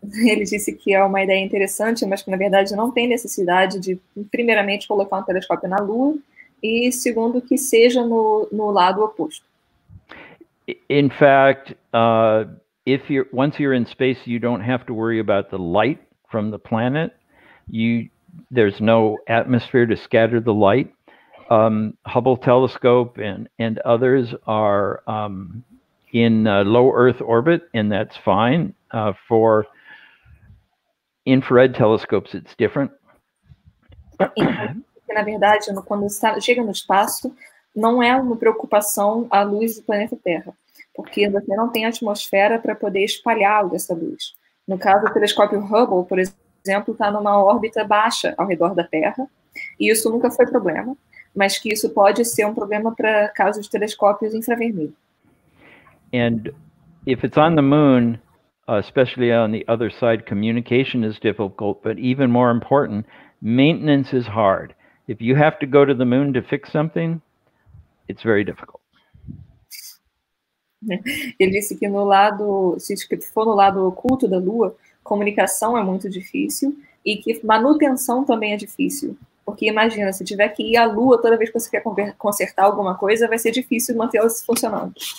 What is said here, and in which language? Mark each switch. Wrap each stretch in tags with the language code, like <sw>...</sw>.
<pt>Ele disse que é uma ideia interessante, mas que, na verdade, não tem necessidade de, primeiramente, colocar um telescópio na Lua e, segundo, que seja no lado oposto.</pt> <en>In fact, once you're in space, you don't have to worry about the light from the planet. There's no atmosphere to scatter the light. Hubble telescope and others are in low Earth orbit, and that's fine. For infrared telescopes, it's different.</en> <pt>Na verdade, quando chega no espaço, não é uma preocupação a luz do planeta Terra. Porque você não tem atmosfera para poder espalhar essa luz. No caso, o telescópio Hubble, por exemplo, está numa órbita baixa ao redor da Terra, e isso nunca foi problema, mas que isso pode ser um problema para casos de telescópios infravermelhos.</pt> <en>And if it's on the moon, especially on the other side, communication is difficult, but even more important, maintenance is hard. If you have to go to the moon to fix something, it's very difficult.</en> <pt>Ele disse que no lado, se for no lado oculto da Lua, comunicação é muito difícil e que manutenção também é difícil. Porque imagina, se tiver que ir à Lua toda vez que você quer consertar alguma coisa, vai ser difícil mantê-la funcionando.</pt>